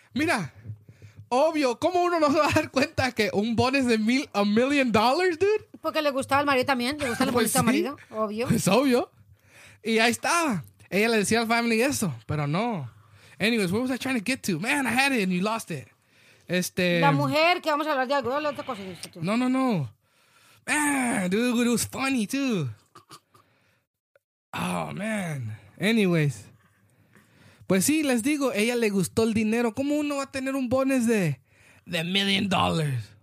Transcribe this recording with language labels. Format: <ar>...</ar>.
<es>Mira, obvio, ¿cómo uno no se va a dar cuenta que un bonus de $1,000,000, dude? Porque le gustaba al marido también, le gustaba pues el bonito sí. Marido, obvio. Es pues obvio. Y ahí estaba. Ella le decía al family eso, pero no.</es> <en>Anyways, what was I trying to get to? Man, I had it and you lost it.</en> <es>La mujer, que vamos a hablar de algo, la otra cosa.</es> <en>No. Man, dude, it was funny, too. Oh, man. Anyways.</en> <es>Pues sí, les digo, ella le gustó el dinero. ¿Cómo uno va a tener un bonus de $1,000,000?</es>